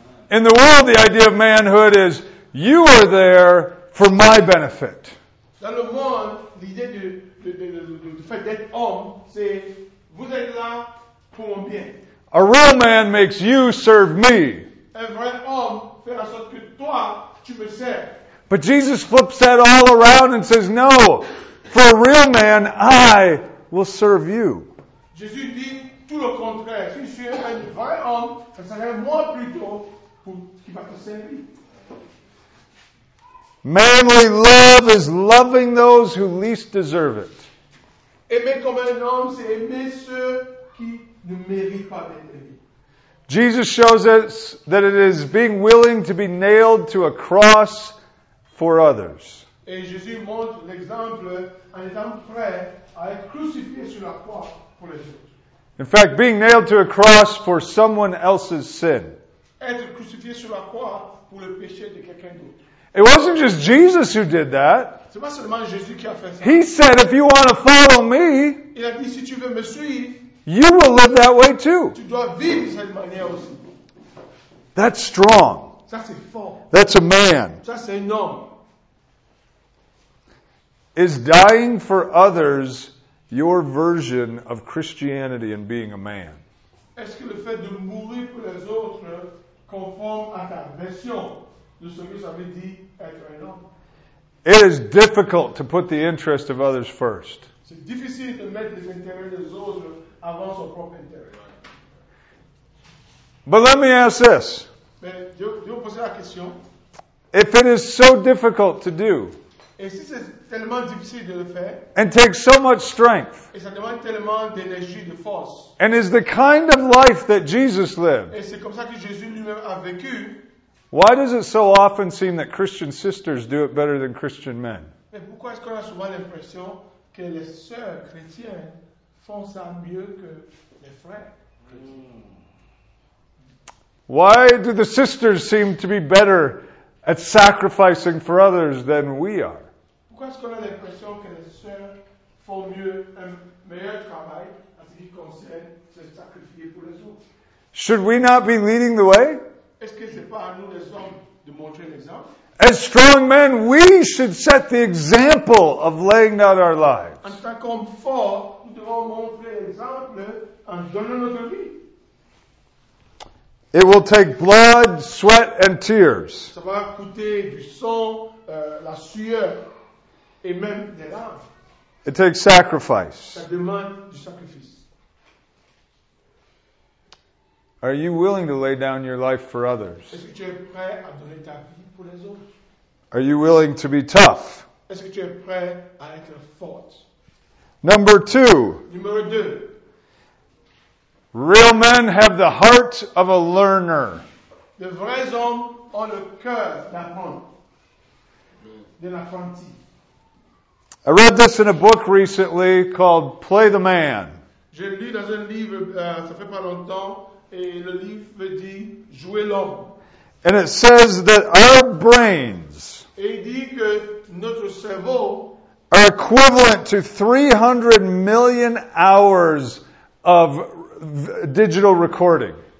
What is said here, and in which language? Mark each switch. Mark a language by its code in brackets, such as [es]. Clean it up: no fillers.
[en] In the world, the idea of manhood is you are there for my benefit. [fr] Dans le monde, l'idée du fait d'être homme, c'est vous êtes là pour mon bien. [en] A real man makes you serve me. [fr] Un vrai homme fait en sorte que toi, tu me sers. [en] But Jesus flips that all around and says, no, for a real man, I will serve you. [fr] Jésus dit, tout le contraire. Si je suis un vrai homme, ça serait moi plutôt qui va te servir. [en] Manly love is loving those who least deserve it. [fr] Aimer comme un homme, c'est aimer ceux qui ne méritent pas d'être aimés. [en] Jesus shows us that it is being willing to be nailed to a cross for others. [fr] Et Jésus montre l'exemple en étant prêt à être crucifié sur la croix pour les autres. [en] In fact, being nailed to a cross for someone else's sin. [fr] Être crucifié sur la croix pour le péché de quelqu'un d'autre. [en] It wasn't just Jesus who did that. [fr] C'est pas seulement Jésus qui a fait ça. [en] He said, if you want to follow me, [fr] il a dit, si tu veux me suivre, [en] you will live that way too. [fr] Tu dois vivre cette manière aussi. [en] That's strong. [fr] Ça, c'est fort. [en] That's a man. [fr] Ça, c'est un homme. [en] Is dying for others your version of Christianity and being a man? [fr] Est-ce que le fait de mourir pour les autres conforme à ta version de ce que ça veut dire être un homme? [en] It is difficult to put the interest of others first. [fr] C'est difficile de mettre les intérêts des autres avant son propre intérêt. [en] But let me ask this. [fr] Je vais poser la question. [en] If it is so difficult to do, [fr] et si c'est tellement difficile de le faire, [en] and takes so much strength, [fr] et ça demande tellement d'énergie, de force, [en] and is the kind of life that Jesus lived, [fr] et c'est comme ça que Jésus lui-même a vécu, [en] why does it so often seem that Christian sisters do it better than Christian men? [fr] Mais pourquoi est-ce qu'on a souvent l'impression que les sœurs chrétiennes font ça mieux que les frères? [en] Why do the sisters seem to be better at sacrificing for others than we are? [fr] Pourquoi est-ce qu'on a l'impression que les sœurs font mieux, un meilleur travail en ce qui concerne se sacrifier pour les autres? [en] Should we not be leading the way? [fr] Est-ce que c'est pas à nous les hommes de montrer l'exemple? [en] As strong men, we should set the example of laying down our lives. [fr] En tant qu'homme fort, nous devons montrer l'exemple en donnant notre vie. [en] It will take blood, sweat, and tears. [fr] Ça va coûter du sang, la sueur, et même des larmes. [en] It takes sacrifice. [fr] Ça demande du sacrifice. [en] Are you willing to lay down your life for others? [fr] Est-ce que tu es prêt à donner ta vie pour les autres? [en] Are you willing to be tough? [fr] Est-ce que tu es prêt à être fort? [en] Number two. [fr] Numéro deux. [en] Real men have the heart of a learner. [fr] De vrais hommes ont le cœur d'apprendre, d'un apprenti. [en] I read this in a book recently called Play the Man. [fr] J'ai lu dans un livre, ça fait pas longtemps, et le livre dit Jouer l'homme. [en] And it says that our brains, [fr] et il dit que notre cerveau, [en] are equivalent to 300 million hours of digital recording.